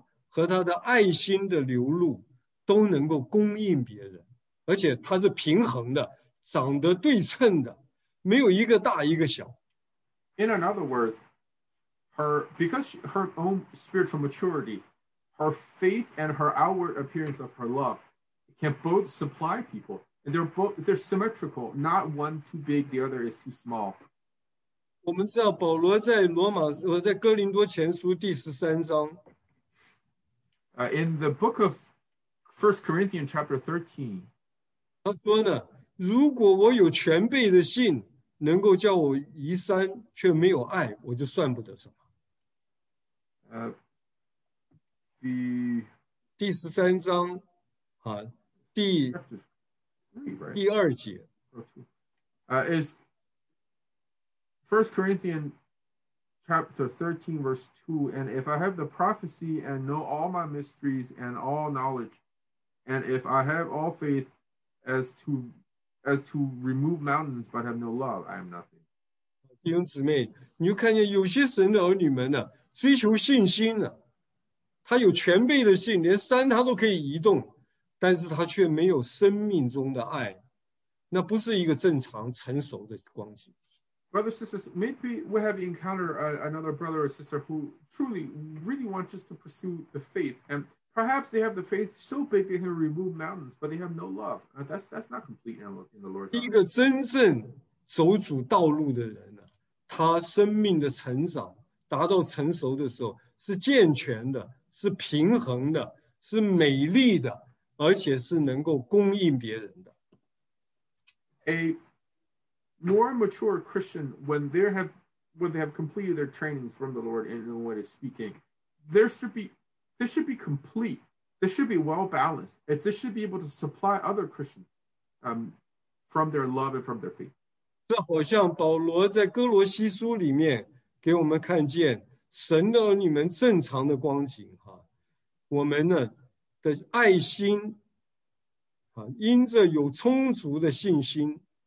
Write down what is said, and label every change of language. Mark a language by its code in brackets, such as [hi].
[zh] 换句话说，这个追求主的女子，这个基督徒啊，她的信心生活和她的爱心的流露。都能够供应别人，而且它是平衡的，长得对称的，没有一个大一个小。 [en] In another word, her own spiritual maturity, her faith and her outward appearance of her love, can both supply people. And they're both, they're symmetrical, not one too big, the other is too small. [zh] 我们知道保罗在哥林多前书第13章 [en] In the book of 1 Corinthians chapter 13, [zh] 他说呢, 如果我有全备的信, 能够叫我移山, 却没有爱, 我就算不得什么。第13章, 啊, 第, [en] chapter 3, right? [zh] 第二节, [en] is 1 Corinthians chapter 13, verse 2, and if I have the prophecy and know all my mysteries and all knowledge, and if I have all faith as to remove mountains but have no love, I am nothing. [zh] 弟兄姊妹, 你就看见有些神的儿女们啊, 追求信心啊, 他有全备的信, 连山他都可以移动, 但是他却没有生命中的爱, 那不是一个正常成熟的光景。 [en] Brothers, sisters, maybe we have encountered another brother or sister who truly, really wants just to pursue the faith. And perhaps they have the faith so big they can remove mountains, but they have no love. That's not complete in the Lord's eyes. [zh] 一个真正走主道路的人啊, 他生命的成长, 达到成熟的时候, 是健全的, 是平衡的, 是美丽的, 而且是能够供应别人的。 [en] More mature Christian, when they have completed their trainings from the Lord in the way of speaking, this should be complete. This should be well balanced. If this should be able to supply other Christians from their love and from their faith. [zh] 这好像保罗在哥罗西书里面给我们看见神的儿女们正常的光景，我们的爱心，因着有充足的信心。